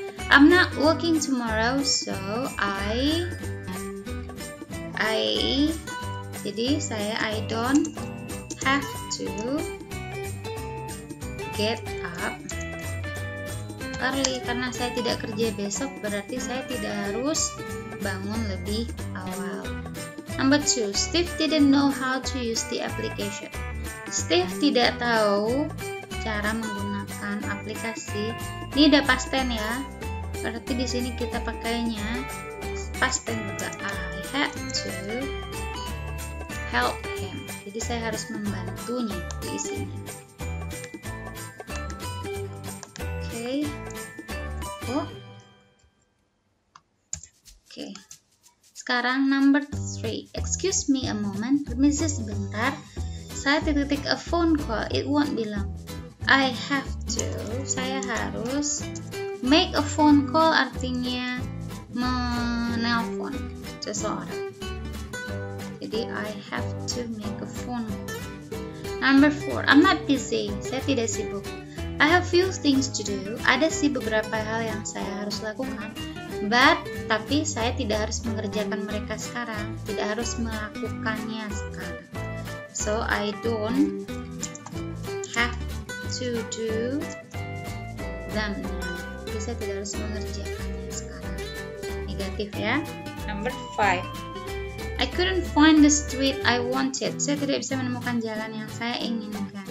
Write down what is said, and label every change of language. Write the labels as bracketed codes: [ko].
[en] I'm not working tomorrow, so I don't have to get up early. [id] Karena saya tidak kerja besok, berarti saya tidak harus bangun lebih awal. [en] Number 2, Steve didn't know how to use the application. [id] Steve tidak tahu cara menggunakan aplikasi. Ini udah past tense ya, berarti di sini kita pakainya past tense juga. [en] I had to help him. [id] Jadi saya harus membantunya di sini. Okay. Oh. [en] Okay. Sekarang number 3. Excuse me a moment. [id] Permisi sebentar. Saya titik-titik [en] a phone call. It won't be long. I have to. [id] Saya harus [en] make a phone call [id] artinya menelpon seseorang. [en] Jadi I have to make a phone call. Number 4, I'm not busy. [id] Saya tidak sibuk. [en] I have few things to do. [id] Ada sih beberapa hal yang saya harus lakukan. Tapi saya tidak harus mengerjakan mereka sekarang. Tidak harus melakukannya sekarang. [en] So I don't have to do them now. [id] Jadi saya tidak harus mengerjakannya sekarang. Negatif ya. [en] Number 5, I couldn't find the street I wanted. [id] Saya tidak bisa menemukan jalan yang saya inginkan.